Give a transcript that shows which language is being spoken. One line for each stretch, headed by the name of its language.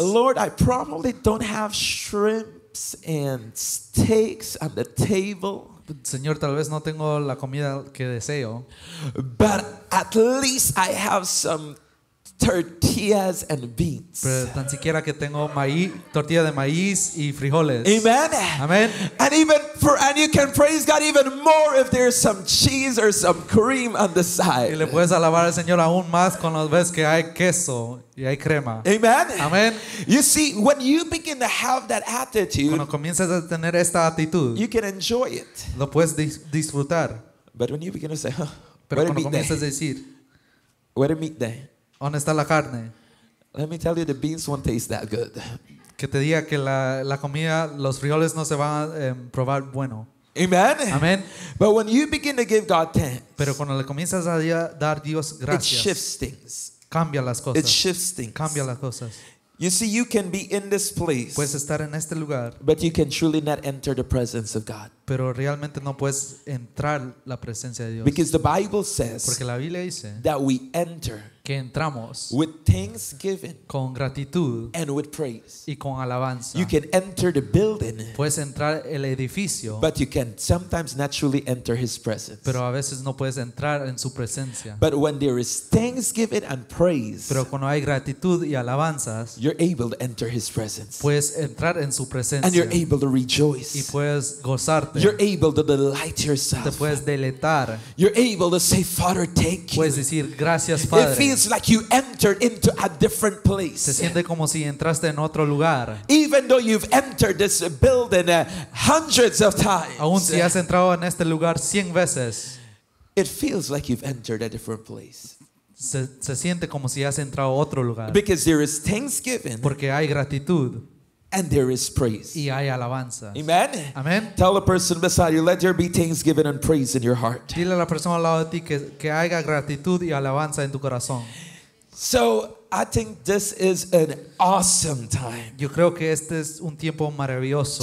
English: Lord, I probably don't have shrimps and steaks on the table.
Spanish: Señor, tal vez no tengo la comida que deseo.
English: But at least I have some tortillas and beans.
Spanish: Pero tan siquiera que tengo maíz, tortilla de maíz y frijoles.
English: Amen.
Spanish: Amen.
English: And you can praise God even more if there's some cheese or some cream on the side.
Spanish: Y le puedes alabar al Señor aún más cuando ves que hay queso y hay crema.
English: Amen.
Spanish: Amen.
English: You see, when you begin to have that attitude,
Spanish: cuando comienzas a tener esta actitud,
English: you can enjoy it.
Spanish: Lo puedes disfrutar.
English: But when you begin to say, huh,
Spanish: pero cuando comienzas a decir,
English: where the meat day?
Spanish: ¿Dónde está la carne?
English: Let me tell you, the beans won't taste that good.
Spanish: Que te diga que la comida, los frijoles no se van a probar bueno.
English: Amen.
Spanish: Amen.
English: But when you begin to give God thanks,
Spanish: pero cuando le comienzas a dar Dios gracias,
English: it shifts things.
Spanish: Cambia las cosas.
English: It shifts things.
Spanish: Cambia las cosas.
English: You see, you can be in this place,
Spanish: puedes estar en este lugar,
English: but you can truly not enter the presence of God.
Spanish: Pero realmente no puedes entrar la presencia de Dios.
English: Because the Bible says,
Spanish: porque la Biblia dice,
English: that we enter,
Spanish: que entramos
English: with thanksgiving
Spanish: con gratitud
English: and with praise
Spanish: y con alabanza.
English: You can enter the building,
Spanish: puedes entrar el edificio,
English: but you can sometimes naturally enter his presence.
Spanish: Pero a veces no puedes entrar en su presencia.
English: But when there is thanksgiving and praise,
Spanish: pero cuando hay gratitud y alabanzas,
English: you're able to enter his presence.
Spanish: Puedes entrar en su presencia.
English: And you're able to rejoice.
Spanish: Y puedes gozarte.
English: You're able to delight yourself.
Spanish: Te puedes deleitar.
English: You're able to say, Father, thank you.
Spanish: Puedes decir gracias, Padre.
English: It feels like you entered into a different place.
Spanish: Se siente como si entraste en otro lugar.
English: Even though you've entered this building hundreds of times.
Spanish: Aún si has entrado en este lugar 100 veces.
English: It feels like you've entered a different place.
Spanish: Se siente como si has entrado otro lugar.
English: Because there is thanksgiving.
Spanish: Porque hay gratitud.
English: And there is praise.
Spanish: Y hay alabanza.
English: Amen.
Spanish: Amen.
English: Tell the person beside you, let there be thanksgiving and praise in your heart.
Spanish: Dile a la persona al lado de ti que haya gratitud y alabanza en tu corazón.
English: So I think this is an awesome time.
Spanish: Yo creo que este es un tiempo maravilloso.